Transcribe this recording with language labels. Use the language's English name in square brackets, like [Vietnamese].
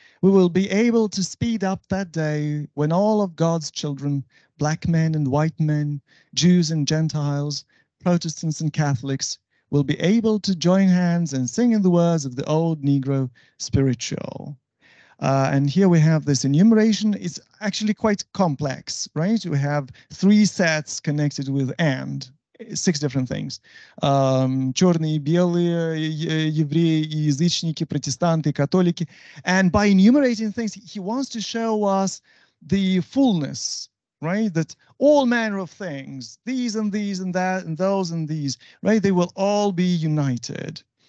[English] We will be able to speed up that day when all of God's children, black men and white men, Jews and Gentiles, Protestants and Catholics, will be able to join hands and sing in the words of the old Negro spiritual. And here we have this enumeration. It's actually quite complex, right? We have three sets connected with and, six different things. [Russian] Черные, белые, евреи, язычники, протестанты, католики. [English] And by enumerating things, he wants to show us the fullness, right? That all manner of things, these and these and that and those and these, right? They will all be united.